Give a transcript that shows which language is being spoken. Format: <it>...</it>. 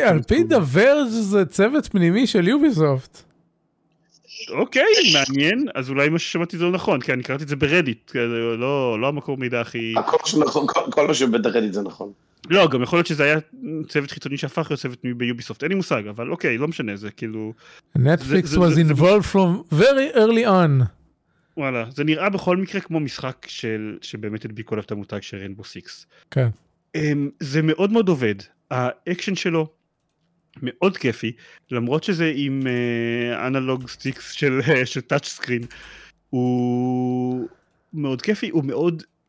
<he>על פי דבר זה צוות פנימי של יוביסופט. אוקיי, מעניין, אז אולי מה ששמעתי זה לא נכון, כי אני קראתי את זה ברדיט, לא המקור מידע הכי... כל מה שברדיט זה נכון. לא, גם יכול להיות שזה היה צוות חיצוני שהפך להיות צוות ביוביסופט, אין לי מושג, אבל אוקיי, לא משנה, זה כאילו...</he> <en>Netflix was involved from very early on.</en> <he>וואלה, זה נראה בכל מקרה כמו משחק של, שבאמת הדביקו עליו את המותג של ריינבו סיקס. כן. זה מאוד מאוד עובד, האקשן שלו מאוד כיפי, למרות שזה עם אנלוג סטיקס של טאצ' סקרין, הוא מאוד כיפי, הוא מאוד...</he>